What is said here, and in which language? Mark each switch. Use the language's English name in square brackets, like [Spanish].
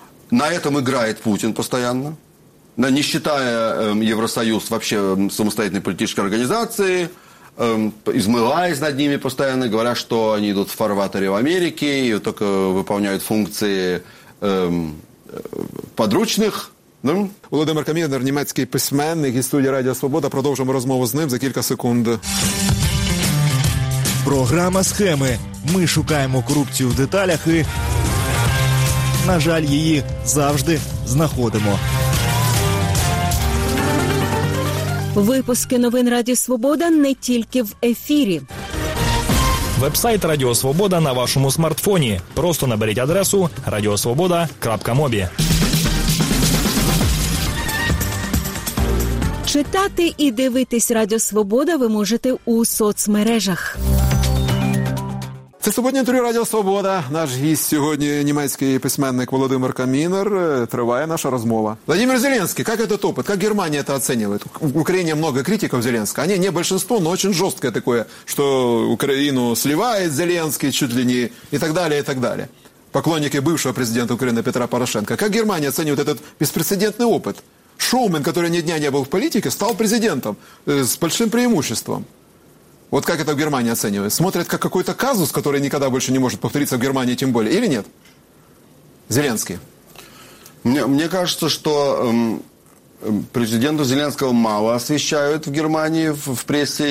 [Russian] На этом играет Путин постоянно. Не считая Евросоюз вообще самостоятельной политической организацией, измываясь над ними постоянно, говоря, что они идут в фарватере в Америке и только выполняют функции подручных Да? [Ukrainian] Володимир Камінер, німецький письменник із студії Радіо Свобода. Продовжимо розмову з ним за кілька секунд. Програма «Схеми». Ми шукаємо корупцію в деталях і, на жаль, її завжди знаходимо. Випуски новин Радіо Свобода не тільки в ефірі. Вебсайт Радіо Свобода на вашому смартфоні. Просто наберіть адресу radiosvoboda.mobi. Читати і дивитись Радіо Свобода ви можете у соцмережах. Це сьогодні інтерв'ю Радіо Свобода. Наш гість сьогодні німецький письменник Володимир Камінер. Триває наша розмова. Володимир Зеленський, як [Russian] этот опыт? [Ukrainian] Як Германія це оцінює? В Україні багато критиків Зеленського. Ні, не більшість, але дуже жорстке таке, що Україну сливає Зеленський [Russian] чуть ли не [Ukrainian] і так далі, і так далі. [Russian] Поклонники бывшего президента [Ukrainian] України [Russian] Петра Порошенка. [Ukrainian] Як Германія оцінює [Russian] этот [Ukrainian] беспрецедентний [Russian] опыт? Шоумен, который ни дня не был в политике, стал президентом с большим преимуществом. Вот как это в Германии оценивают? Смотрят как какой-то казус, который никогда больше не может повториться в Германии, тем более, или нет? Зеленский. Мне кажется, что президента Зеленского мало освещают в Германии в прессе.